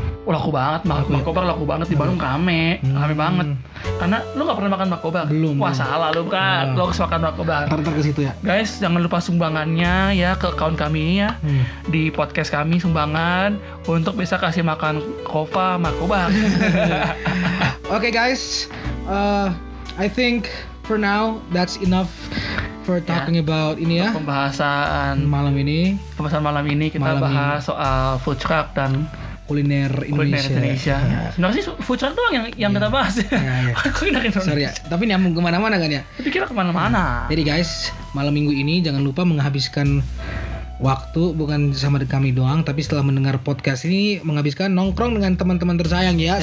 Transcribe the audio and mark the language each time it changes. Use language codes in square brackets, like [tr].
[id] Laku banget, Markobar laku banget di Bandung, rame banget. Karena lu gak pernah makan Markobar? Belum. Wah salah lu kan, lu harus makan Markobar. Ntar ke situ ya. Guys, jangan lupa sumbangannya ya ke account kami ya. Di podcast kami, sumbangan. Untuk bisa kasih makan Kova Markobar. [en] Oke guys, I think for now that's enough for talking about ini ya. [id] Pembahasan malam ini kita malam bahas ini. Soal food truck dan kuliner Indonesia. Ya. Sebenarnya sih food truck doang yang kita bahas. Kuliner Indonesia. Sorry ya. Tapi nyambung kemana-mana kan ya? Tapi kira kemana-mana. Jadi guys, malam minggu ini jangan lupa menghabiskan waktu bukan sama kami doang, tapi setelah mendengar podcast ini menghabiskan nongkrong dengan teman-teman tersayang ya.